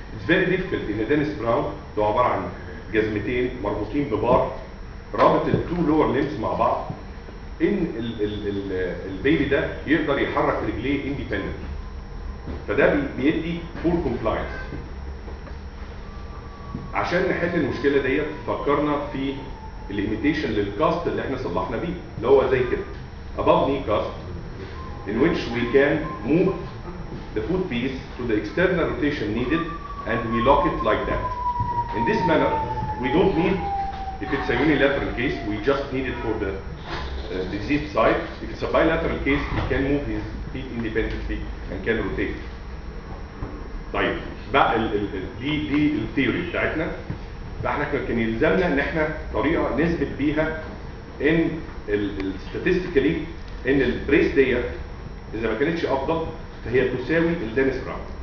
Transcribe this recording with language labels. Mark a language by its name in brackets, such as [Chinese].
[English] it's very difficult [Arabic] ان دينيس براون ده عباره عن جزمتين مربوطين ببار رابط التو لور ليمز مع بعض ان البيبي ده يقدر يحرك رجليه اندبندنتلي فده بيدي [English] Poor compliance. [Arabic] عشان نحل المشكله ديت فكرنا في الليميتيشن للكاست اللي احنا صلحنا بيه اللي هو زي كده [English] above knee cast in which we can move the foot piece to the external rotation needed and we lock it like that. In this manner we don't need if it's a unilateral case we just need it for the diseased side. If it's a bilateral case he can move his feet independently and can rotate. [Arabic] طيب بقى دي الثيوري بتاعتنا فاحنا كان يلزمنا ان احنا طريقه نثبت بيها ان الستاتستيكالي ان البريس ديت اذا ما كانتش افضل فهي تساوي الدينيس براون.